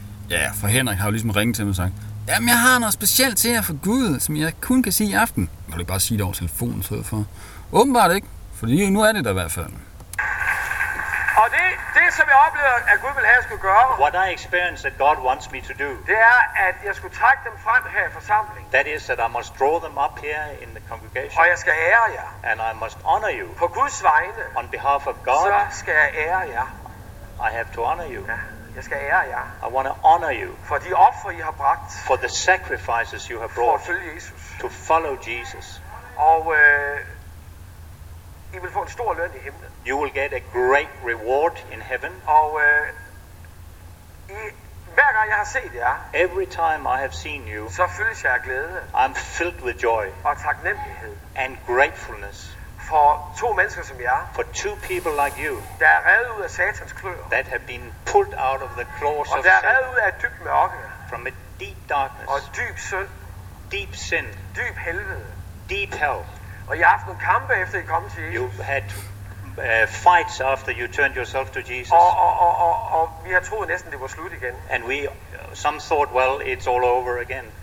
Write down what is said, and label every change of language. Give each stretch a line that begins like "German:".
Danish: Ja, for Henrik har jo ligesom ringet til mig og sagt, jamen jeg har noget specielt til jer for Gud, som jeg kun kan sige i aften. Må du bare sige det over telefonen, så for. Åbenbart ikke, for nu er det der i hvert fald. Og det som jeg oplever, at Gud vil have, jeg skulle gøre.
English: What I experience that God wants me to do.
Danish: Det er, at jeg skulle trække dem frem her i forsamling.
English: That is that I must draw them up here in the congregation.
Danish: Og jeg skal ære jer.
English: And I must honor you.
Danish: På Guds vegne.
English: On behalf of God.
Danish: Så skal jeg ære jer.
English: I have to honor you.
Danish: Ja. Jeg skal ære jer.
English: I want to honor you.
Danish: For de offer, I har bragt.
English: For the sacrifices you have brought.
Danish: For at følge Jesus.
English: To follow Jesus.
Danish: Og I vil få en stor løn i himlen.
English: You will get a great reward in heaven.
Danish: Og hver gang jeg har set jer.
English: Every time I have seen you.
Danish: Så fyldes jeg af glæde.
English: I'm filled with joy.
Danish: Og taknemmelighed.
English: And gratefulness.
Danish: For to mennesker som jer.
English: For two people like you.
Danish: Der er reddet ud af Satans klør.
English: That have been pulled out of the claws of Satan.
Danish: Og der er reddet ud af dyb mørke.
English: From a deep darkness.
Danish: Og dyb synd.
English: Deep sin.
Danish: Dyb helvede.
English: Deep hell.
Danish: Og jeg har haft nogle kampe efter I kom til Jesus.
English: You had fights after you turned yourself to Jesus.
Danish: Og vi har troet næsten det var slut igen.
English: And we some thought well it's all over again.